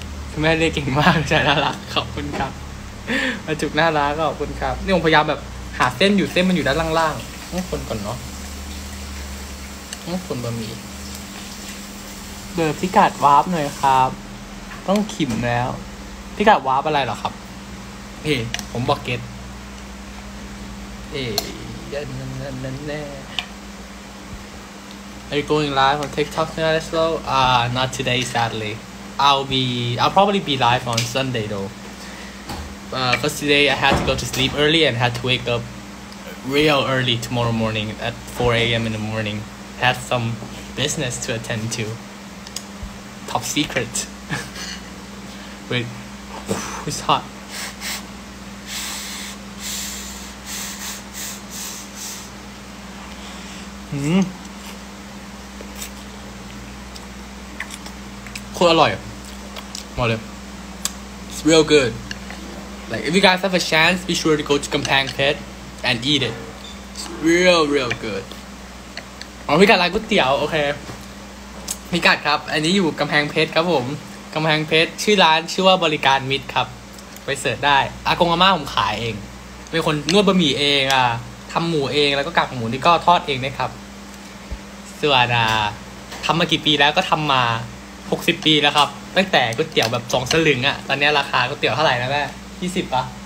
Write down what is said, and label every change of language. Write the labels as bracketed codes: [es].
[th] คุณแม่เรียกเก่งมากใช่น่ารักขอบคุณครับมาจุกน่ารักขอบคุณครับนี่ผมพยายามแบบหาเส้นอยู่เส้นมันอยู่ด้านล่างๆต้องคนก่อนเนาะต้องคนบะหมี่เบอร์พิกัดวาร์ปหน่อยครับต้องขิมแล้วพี่กัดวาร์ปอะไรหรอครับเฮ้ผมบอกเก็ตเอ๊ะนั่นแน่ [en] Are you going live on TikTok tonight as well? Not today, sadly. I'll probably be live on Sunday though. Because today I had to go to sleep early and had to wake up real early tomorrow morning at 4 a.m. in the morning. Had some business to attend to. Top secret. Wait, it's hot. Quite a lot. What? It's real good. Like, if you guys have a chance, be sure to go to Kampang Pit and eat it. It's real, real good. Oh, we got like good tea. Okay. [th] พี่กัดครับอันนี้อยู่กำแพงเพชรครับผมกำแพงเพชรชื่อร้านชื่อว่าบริการมิตรครับไปเสิร์ชได้อากงอาม่าผมขายเองเป็นคนนวดบะหมี่เองทำหมูเองแล้วก็กากหมูนี่ก็ทอดเองนะครับส่วนทำมากี่ปีแล้วก็ทำมา60ปีแล้วครับตั้งแต่ก๋วยเตี๋ยวแบบ2สลึงอะตอนนี้ราคาก๋วยเตี๋ยวเท่าไหร่นะแม่20ป่ะ